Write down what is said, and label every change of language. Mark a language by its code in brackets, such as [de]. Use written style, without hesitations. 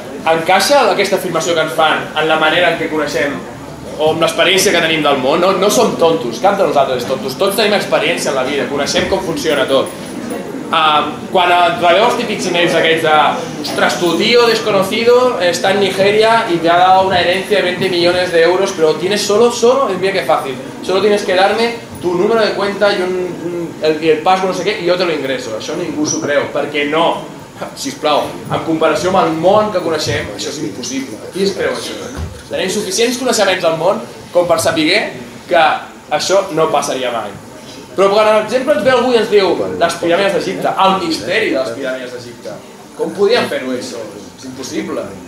[ca] Encaixa aquesta afirmació que ens fan en la manera en què coneixem o amb l'experiència que tenim del món? No som tontos, cap de nosaltres és tontos. Tots tenim experiència en la vida, coneixem com funciona tot. [es] Quan rebeu els típics emails aquells de: ostres, tu tío desconocido está en Nigeria y te ha dado una herencia de 20 millones de euros, pero tienes solo, es bien que fácil, solo tienes que darme tu número de cuenta y el password, [ca] no sé què, i jo [es] te lo ingreso. [ca] Això ningú s'ho creu, perquè no, sisplau, en comparació amb el món que coneixem, això és impossible. Qui es creu això? Tenim suficients coneixements del món com per saber que això no passaria mai. Però quan, per exemple, ens ve algú i ens diu les piràmides d'Egipte, el misteri de les piràmides d'Egipte, com podien fer-ho això? És impossible.